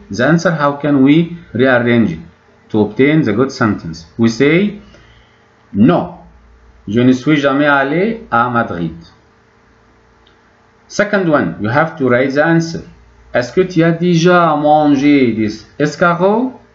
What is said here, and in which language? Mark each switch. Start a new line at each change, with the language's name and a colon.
English: The answer, how can we rearrange it to obtain the good sentence? We say,
French: non, je ne suis jamais allé à Madrid.
English: Second one, you have to write the answer.
French: Est-ce que tu as déjà mangé des escargots?